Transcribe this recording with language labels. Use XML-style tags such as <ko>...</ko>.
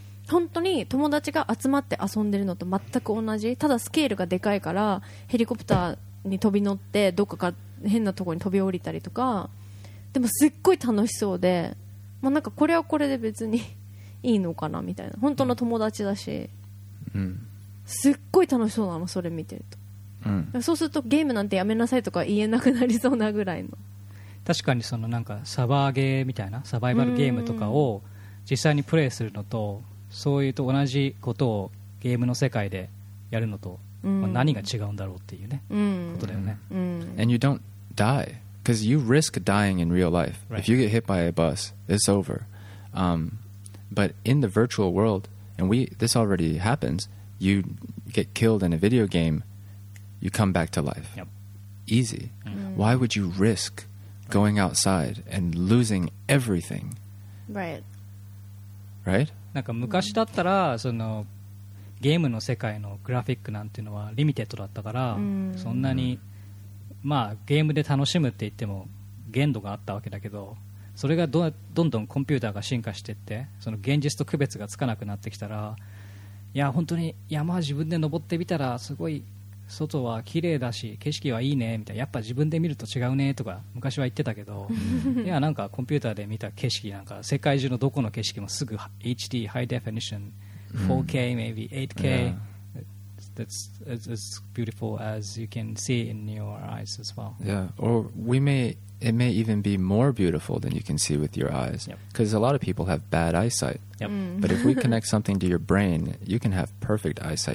<ja>本当に友達が集まって遊んでるのと全く同じ、ただスケールがでかいからヘリコプターに飛び乗ってどっかか変なところに飛び降りたりとか、でもすっごい楽しそうで、まあ、なんかこれはこれで別にいいのかなみたいな、本当の友達だし、すっごい楽しそうなのそれ見てると、そうするとゲームなんてやめなさいとか言えなくなりそうなぐらいの。確かにそのなんかサバーゲーみたいなサバイバルゲームとかを実際にプレイするのと、そういうと同じことをゲームの世界でやるのと、まあ、何が違うんだろうっていうね、ことだよね。</ja> <en>And you don't die, because you risk dying in real life. Right. If you get hit by a bus, it's over. But in the virtual world, and this already happens, you get killed in a video game, you come back to life. Yep. Easy. Why would you risk going outside and losing everything? Right. Right?</en> <ja>なんか昔だったらそのゲームの世界のグラフィックなんていうのはリミテッドだったから、そんなにまあゲームで楽しむって言っても限度があったわけだけど、それが どんどんコンピューターが進化していって、その現実と区別がつかなくなってきたら、いや本当に山は自分で登ってみたらすごい外は綺麗だし景色はいいねみたいな、やっぱ自分で見ると違うねとか昔は言ってたけど、いやなんかコンピューターで見た景色なんか世界中のどこの景色もすぐ</ja> <en>HD High Definition 4K maybe 8K、yeah. that's as beautiful as you can see in your eyes as well. Yeah, or we may it may even be more beautiful than you can see with your eyes, because、 yep. a lot of people have bad eyesight. Yep. But if we connect something to your brain, you can have perfect eyesight.</en>